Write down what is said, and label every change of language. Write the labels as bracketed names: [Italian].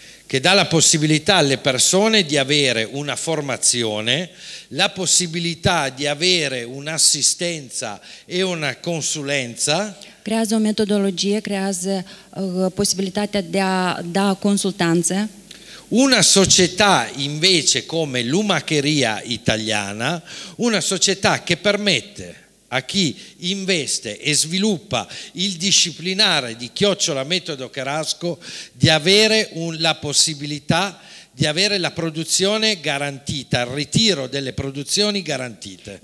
[Italian] Che dà la possibilità alle persone di avere una formazione, la possibilità di avere un'assistenza e una consulenza. [Romanian] Creează o metodologie, creează posibilitatea de a da consultanțe. [Italian] Una società invece come l'Umacheria Italiana, una società che permette a chi investe e sviluppa il disciplinare di Chiocciola Metodo Cherasco di avere la possibilità di avere la produzione garantita, il ritiro delle produzioni garantite.